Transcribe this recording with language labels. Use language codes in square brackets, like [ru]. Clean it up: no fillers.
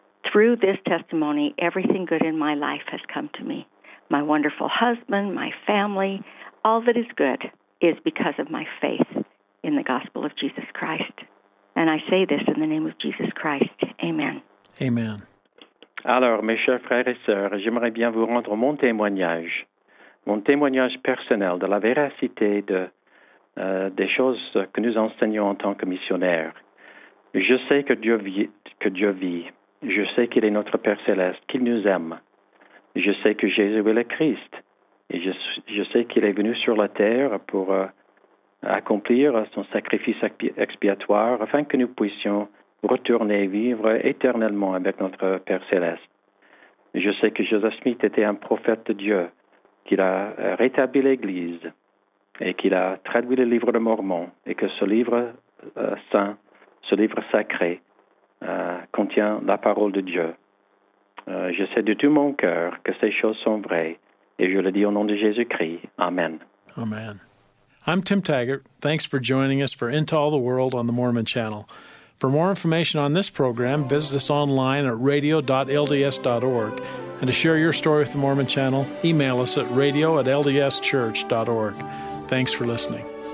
[en] Through this testimony, everything good in my life has come to me. My wonderful husband, my family, all that is good is because of my faith in the gospel of Jesus Christ. And I say this in the name of Jesus Christ. Amen. Amen. [fr] Alors, mes chers frères et sœurs, j'aimerais bien vous rendre mon témoignage personnel de la véracité des choses que nous enseignons en tant que missionnaires. Je sais que Dieu vit. Je sais qu'il est notre Père céleste, qu'il nous aime. Je sais que Jésus est le Christ. Et je sais qu'il est venu sur la terre pour accomplir son sacrifice expiatoire afin que nous puissions retourner vivre éternellement avec notre Père céleste. Je sais que Joseph Smith était un prophète de Dieu, qu'il a rétabli l'Église et qu'il a traduit le livre de Mormon, et que ce livre saint, ce livre sacré, contient la parole de Dieu. Je sais de tout mon cœur que ces choses sont vraies, et je le dis au nom de Jésus-Christ. Amen. [en] Amen. I'm Tim Taggart. Thanks for joining us for Into All the World on the Mormon Channel. For more information on this program, visit us online at radio.lds.org. And to share your story with the Mormon Channel, email us at radio@ldschurch.org. Thanks for listening.